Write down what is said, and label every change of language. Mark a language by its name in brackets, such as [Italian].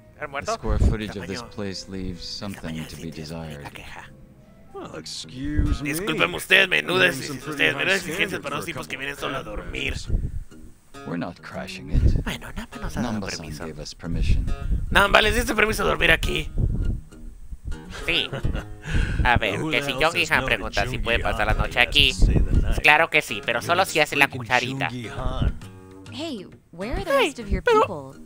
[English] The square footage of this place leaves something to be desired. Well, excuse me. [Spanish] Discúlpeme usted, menudas exigencias para los tipos que vienen solo a dormir. [English] We're not crashing it. [Spanish] Bueno, Namba nos ha dado permiso. [English] Namba gave us permission. [Spanish] Namba, ¿les diste permiso a dormir aquí? Sí. A ver, que si Yogi Han pregunta si puede pasar la noche aquí. Claro que sí, pero solo si hace la cucharita. [English] Hey, where are the rest of your people?